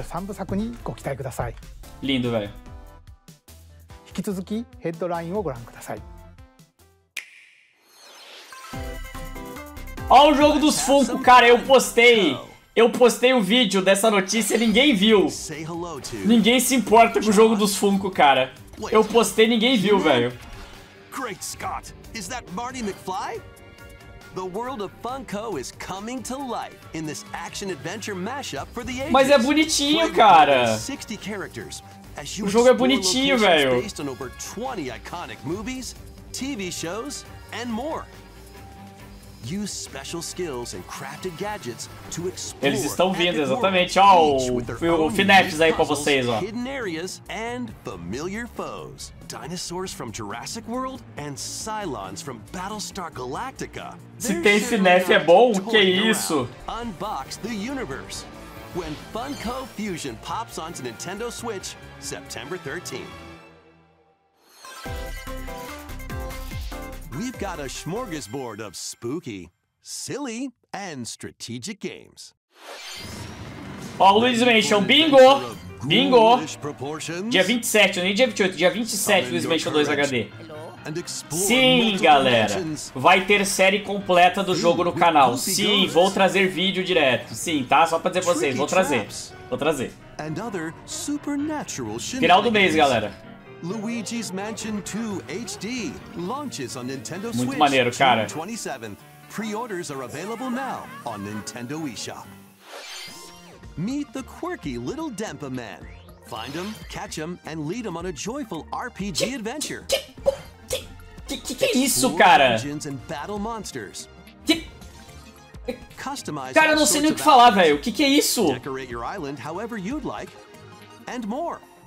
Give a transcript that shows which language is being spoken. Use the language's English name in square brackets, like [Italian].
[Japanese] 3部作にご期待ください [Portuguese] Lindo, velho. [Japanese] 引き続きヘッドラインをご覧ください [Portuguese] Olha o jogo dos Funko, cara, eu postei. Eu postei um vídeo dessa notícia e ninguém viu. Ninguém se importa com o jogo dos Funko, cara. Eu postei e ninguém viu, velho. [English] Great Scott, is that Marty McFly? The world of Funko is coming to life in this action adventure mashup for the ages. [Portuguese] Mas é bonitinho, cara. [English] 60 characters. [Portuguese] O jogo é bonitinho, velho. [English] Based on over 20 iconic movies, TV shows, and more. Use special skills and crafted gadgets to explore. [Portuguese] Eles estão vindo exatamente, ó, o Fineps aí para vocês, ó. [English] Hidden areas and familiar foes. Dinosaurs from Jurassic World and Cylons from Battlestar Galactica. [Portuguese] Se tem Fineps é bom, que é isso? [English] Unbox the universe. When Funko Fusion pops onto Nintendo Switch, September 13th. We've got a smorgasbord of spooky, silly, and strategic games. [Portuguese] Ó, oh, Luiz Mansion, bingo! Bingo! Dia 27, não é dia 28, dia 27, Luiz Mansion 2 HD. Sim, galera! Vai ter série completa do jogo no canal. Sim, vou trazer vídeo direto. Sim, tá? Só pra dizer pra vocês, vou trazer. [English] And other supernatural shenanigans. [Portuguese] Final do mês, galera. [English] Luigi's Mansion 2 HD launches on Nintendo [Portuguese] Muito [English] Switch. [Portuguese] Muito maneiro, cara. [English] 27. Pre-orders are available now on Nintendo eShop. Meet the quirky little Dempa man. Find him, catch him and lead him on a joyful RPG adventure. [Portuguese] Que isso, cara? [English] Legends and battle monsters. Customize. [Portuguese] Cara, não sei nem o que falar, velho. Que é isso? [English] Decorate your island however you'd like and more.